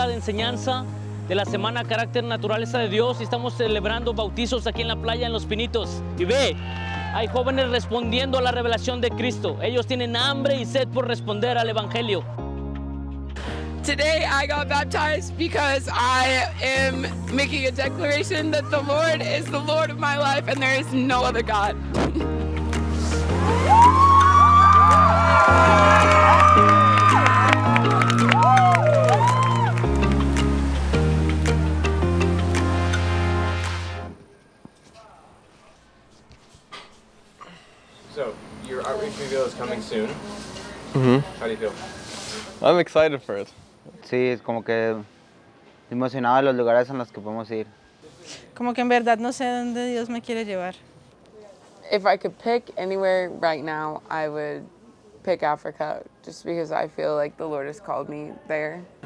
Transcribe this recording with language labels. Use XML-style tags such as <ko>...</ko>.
<es>Enseñanza de la semana Carácter Naturaleza de Dios y estamos celebrando bautizos aquí en la playa en Los Pinitos. Y ve, hay jóvenes respondiendo a la revelación de Cristo. Ellos tienen hambre y sed por responder al Evangelio.</es> <en>Today I got baptized because I am making a declaration that the Lord is the Lord of my life and there is no other God. I'm excited for it.</en> <es>Sí, es como que emocionado de los lugares en los que podemos ir. Como que en verdad no sé dónde Dios me quiere llevar.</es> <en>If I could pick anywhere right now, I would pick Africa, just because I feel like the Lord has called me there.</en>